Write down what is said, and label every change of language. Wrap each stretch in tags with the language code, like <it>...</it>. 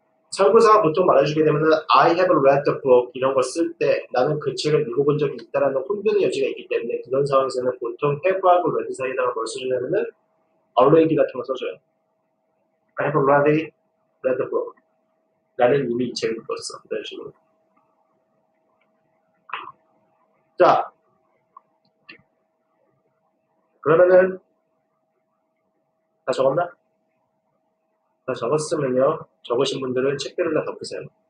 <ko>참고사가 보통 말해주게 되면은</ko> <en>I have read the book</en> <ko>이런 걸 쓸 때 나는 그 책을 읽어본 적이 있다라는 혼변의 여지가 있기 때문에 그런 상황에서는 보통 have하고 read 사이에다가 뭘 써주냐면은 already 같은 걸 써줘요.</ko> <en>I have already read the book.</en> <ko>나는 이미 이 책을 읽었어. 이런 식으로. 자, 그러면은 다 적었나? 다 적었으면요. 적으신 분들은 책들을 다 덮으세요.</ko>